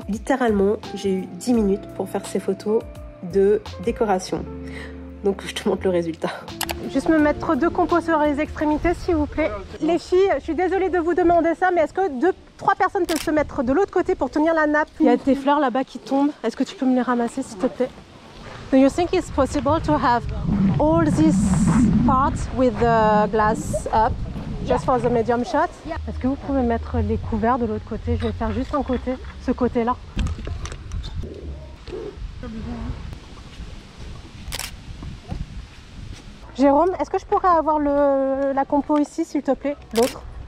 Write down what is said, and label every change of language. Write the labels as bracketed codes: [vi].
[fr] Littéralement j'ai eu 10 minutes pour faire ces photos de décoration, donc je te montre le résultat. Juste me mettre 2 compos sur les extrémités, s'il vous plaît. Les filles, je suis désolée de vous demander ça, mais est-ce que 2-3 personnes peuvent se mettre de l'autre côté pour tenir la nappe? Il y a des fleurs là-bas qui tombent. Est-ce que tu peux me les ramasser, s'il te plaît? [en] Do you think it's possible to have all this part with the glass up? Just for the medium shot. Yeah. [fr] Est-ce que vous pouvez mettre les couverts de l'autre côté? Je vais faire juste un côté, ce côté-là. Jérôme, est-ce que je pourrais avoir la compo ici, s'il te plaît? L'autre.